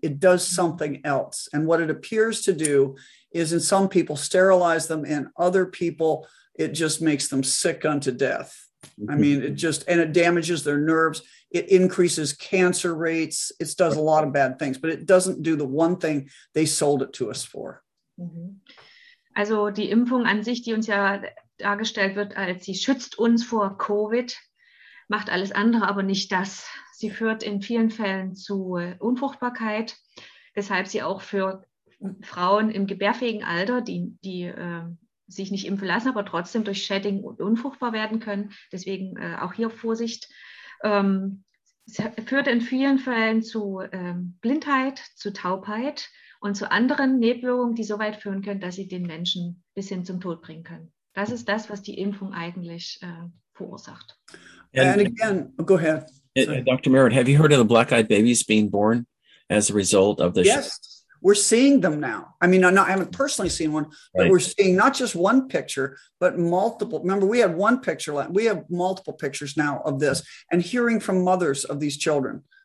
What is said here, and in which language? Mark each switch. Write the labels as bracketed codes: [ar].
[en] It does something else. And what it appears to do is in some people sterilize them, and other people, it just makes them sick unto death. Mm-hmm. I mean, it damages their nerves. It increases cancer rates. It does a lot of bad things, but it doesn't do the one thing they sold it to us for. Mm-hmm. [de] Also die Impfung an sich, die uns ja dargestellt wird, als sie schützt uns vor COVID, macht alles andere, aber nicht das. Sie führt in vielen Fällen zu Unfruchtbarkeit, weshalb sie auch für Frauen im gebärfähigen Alter, die sich nicht impfen lassen, aber trotzdem durch Shedding unfruchtbar werden können. Deswegen auch hier Vorsicht. Es führt in vielen Fällen zu Blindheit, zu Taubheit und zu anderen Nebenwirkungen, die so weit führen können, dass sie den Menschen bis hin zum Tod bringen können. Das ist das, was die Impfung eigentlich verursacht. [en] And again, go ahead. Dr. Merritt, have you heard of the black-eyed babies being born as a result of this? Yes, we're seeing them now. I mean, I haven't personally seen one, but right. We're seeing not just one picture, but multiple. Remember, we had one picture. We have multiple pictures now of this and hearing from mothers of these children.